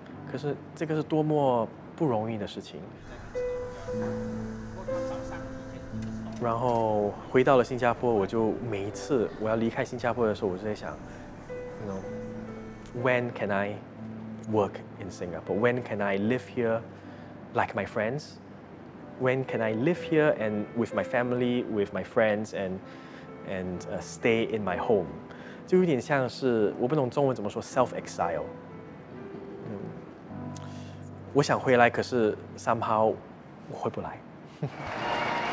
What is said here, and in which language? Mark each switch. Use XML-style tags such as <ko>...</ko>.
<zh>可是这个是多么不容易的事情。然后回到了新加坡，我就每一次我要离开新加坡的时候，我就在想</zh> <en>you know, When can I work in Singapore? When can I live here like my friends? When can I live here and with my family, with my friends and stay in my home?</en> <zh>就有点像是，我不懂中文怎么说 self exile、嗯、我想回来，可是 somehow 我回不来。</zh>